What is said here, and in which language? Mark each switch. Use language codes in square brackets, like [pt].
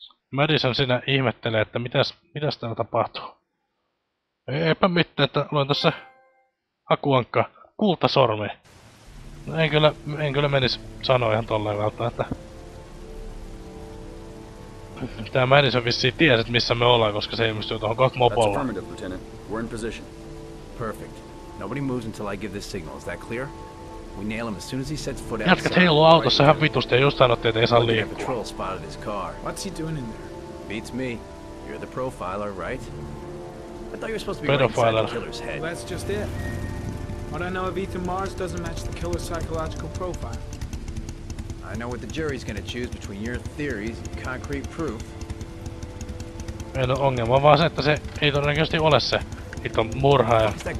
[fi] Madison siinä ihmettelee, että mitäs täällä tapahtuu. Eipä mitään, että luen tässä akuankka kultasormi. No en kyllä menis sanoa ihan tolleen välttä, että... Tää Madison vissiin tiesi, missä me ollaan, koska se ilmestyy tuohon kohta mopolla. [en] That's affirmative, Lieutenant. We're in position. Perfect. Nobody moves until I give this signal. Is that clear? We nail him as soon as he sets foot outside. [fi] Jätkät heiluu autossa ihan vitusti ja just sanottiin, ettei saa liikkua. [en] Patrol spotted his car. What's he doing in there? Beats me. You're the profiler, right? I thought you were supposed to be right inside the killer's head. Well, that's just it. What I know of Ethan Mars doesn't match the killer's psychological profile. I know what the jury's gonna choose between your theories and concrete proof. [fi] Meillä on ongelma vaan se, että se ei todennäköisesti ole se hiton murhaaja.